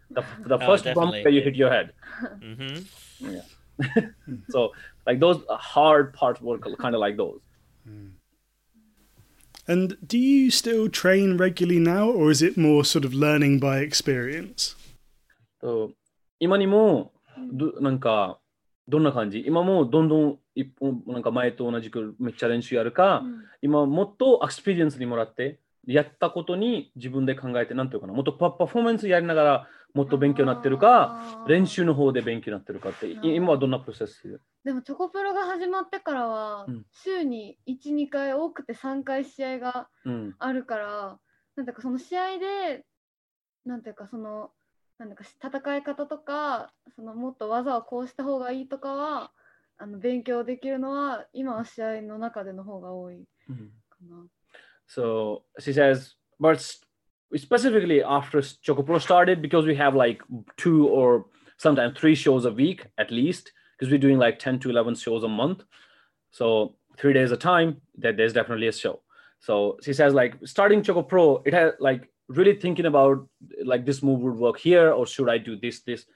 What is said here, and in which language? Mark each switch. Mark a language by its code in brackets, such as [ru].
[en] The first bump where you hit your head. Mm-hmm. Yeah. So, like those hard parts were kind of like those. And do you still train regularly now, or is it more sort of learning by experience? So, [ja] 今にもなんかどんな感じ？今もどんどんなんか前と同じくめっちゃ練習やるか、今もっとエクスペリエンスにもらってやったことに自分で考えてなんていうかな、もっとパフォーマンスやりながら。もっと勉強になってるか練習の方で勉強になってるかって今はどんなプロセスで？でもチョコプロが始まってからは、うん、週に 1,2 回多くて3回試合があるから、うん、なんていうかその試合でなんていうかそのなんか戦い方とかそのもっと技をこうした方がいいとかは勉強できるのは今は試合の中での方が多いかな。 [en] So she says, but specifically after Choco Pro started, because we have like two or sometimes three shows a week at least, because we're doing like 10 to 11 shows a month. So 3 days a time, that there's definitely a show. So she says like starting Choco Pro, it had like really thinking about like this move would work here or should I do this, this.